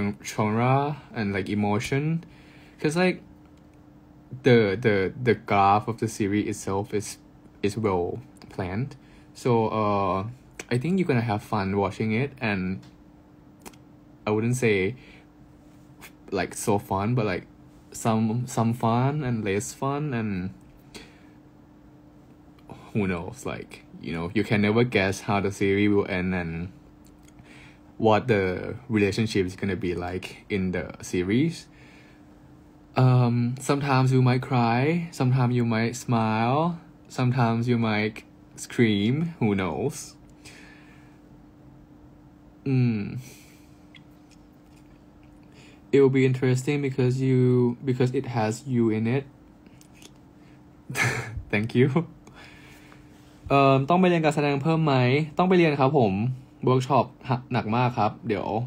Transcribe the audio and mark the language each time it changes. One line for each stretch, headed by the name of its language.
English: genre and like emotion because like the graph of the series itself is well planned so I think you're gonna have fun watching it and I wouldn't say like so fun but like some fun and less fun andWho knows? Like you know, you can never guess how the series will end and what the relationship is gonna be like in the series. Sometimes you might cry, sometimes you might smile, sometimes you might scream. Who knows? It will be interesting because it has you in it. Thank you.
Thai: ต้องไปเรียนการแสดงเพิ่มไหมต้องไปเรียนครับผมเวิร์กช็อปหนักมากครับเดี๋ยว